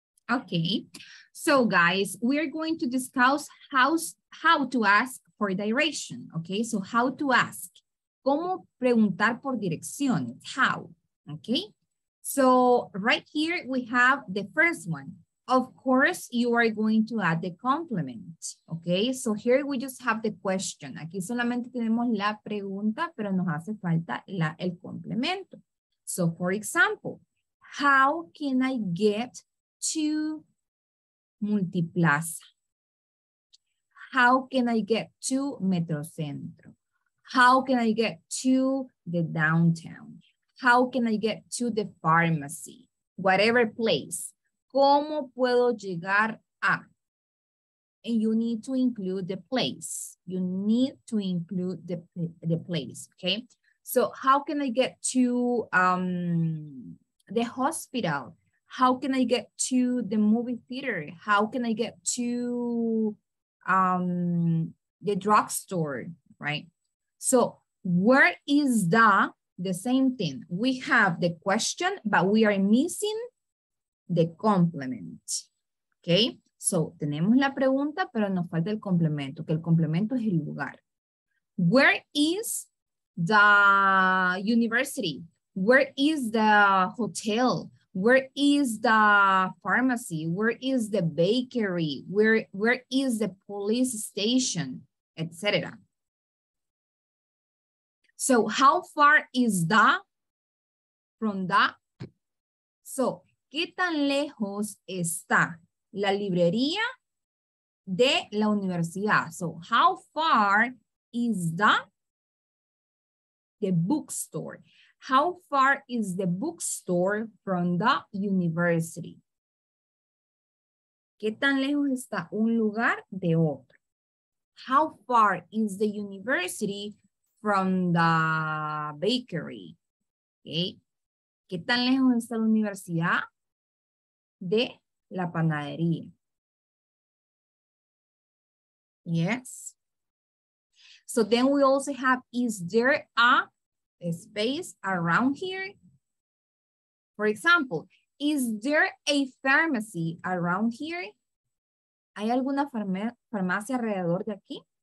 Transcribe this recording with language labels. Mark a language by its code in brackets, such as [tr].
[en] Okay, so guys, we're going to discuss how to ask for direction. Okay, so how to ask. [es] ¿Cómo preguntar por direcciones? [en] How? Okay, so right here we have the first one. Of course, you are going to add the complement, okay? So here we just have the question. [es] Aquí solamente tenemos la pregunta, pero nos hace falta el complemento. [en] So for example, how can I get to Multiplaza? How can I get to Metrocentro? How can I get to the downtown? How can I get to the pharmacy? Whatever place. [es] ¿Cómo puedo llegar a? [en] And you need to include the place. You need to include the place, okay? So how can I get to the hospital? How can I get to the movie theater? How can I get to the drugstore, right? So where is the same thing? We have the question, but we are missing the complement, okay? [es] So, tenemos la pregunta, pero nos falta el complemento, que el complemento es el lugar. [en] Where is the university? Where is the hotel? Where is the pharmacy? Where is the bakery? Where is the police station, etc. So, how far is that from that? [es] So, ¿qué tan lejos está la librería de la universidad? [en] So, how far is the bookstore? How far is the bookstore from the university? [es] ¿Qué tan lejos está un lugar de otro? [en] How far is the university from the bakery? Okay. [es] ¿Qué tan lejos está la universidad de la panadería? [en] Yes. So then we also have, is there a space around here? For example, is there a pharmacy around here? [es] ¿Hay alguna farmacia alrededor de aquí?